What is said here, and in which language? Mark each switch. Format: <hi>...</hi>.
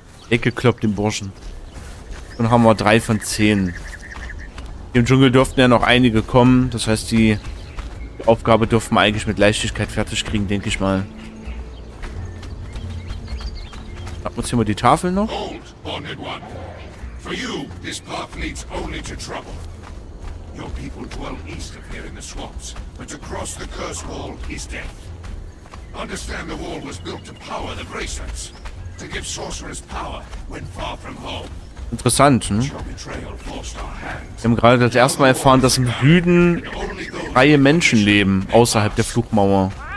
<de>Ecke kloppt den Burschen. Dann haben wir 3 von 10. Im Dschungel dürften ja noch einige kommen. Das heißt, die Aufgabe dürfen wir eigentlich mit Leichtigkeit fertig kriegen, denke ich mal. Schnappen wir uns hier mal die Tafel noch.</de> <en>Hold, Bonded One. For you, this path leads only to trouble. Your people dwell east of here in the swamps, but to cross the curse wall is death. Understand the wall was built to power the bracelets. To give sorcerers power when far from home.</en> <de>Interessant, ne? Wir haben gerade das erste Mal erfahren, dass im Süden freie Menschen leben, außerhalb der Flugmauer.</de>